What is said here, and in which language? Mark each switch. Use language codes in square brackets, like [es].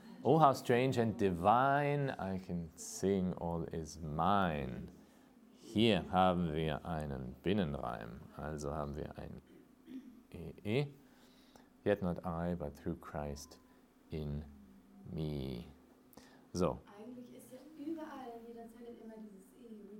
[en] Oh, how strange and divine, I can sing, all is mine. [de] Hier haben wir einen Binnenreim. Also haben wir ein E-E. [en] Yet not I, but through Christ in me. [de] So. Eigentlich ist ja überall in jeder Zeile immer dieses E.